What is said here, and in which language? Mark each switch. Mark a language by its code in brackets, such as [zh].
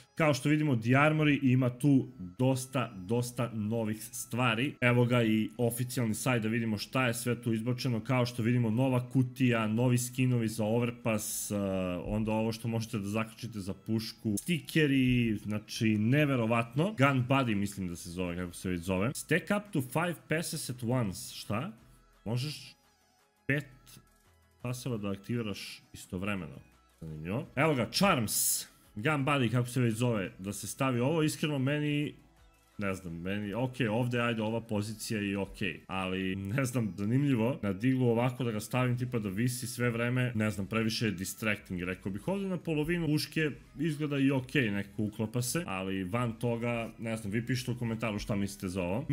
[sr] Kao što vidimo, The Armory ima tu dosta novih stvari. Evo ga i oficijalni sajt da vidimo šta je sve tu izbačeno. Kao što vidimo, nova kutija, novi skinovi za overpass, onda ovo što možete da zaključite za pušku, stikeri, znači neverovatno. Gun Buddy mislim da se zove, kako se već zove. [en] Stack up to 5 passes at once. [sr] Šta? Možeš 5 paseva da aktiviraš istovremeno. Zanimljivo. Evo ga, Charms. Gun Buddy, kako se već zove, da se stavi ovo, iskreno meni, ne znam, meni, okej, ovde, ajde, ova pozicija je okej, ali, ne znam, zanimljivo, na diglu ovako da ga stavim, tipa da visi sve vreme, ne znam, previše je distracting, rekao bih, ovde na polovinu puške izgleda i okej, nekako uklapa se, ali van toga, ne znam, vi pišite u komentaru šta mislite za ovo.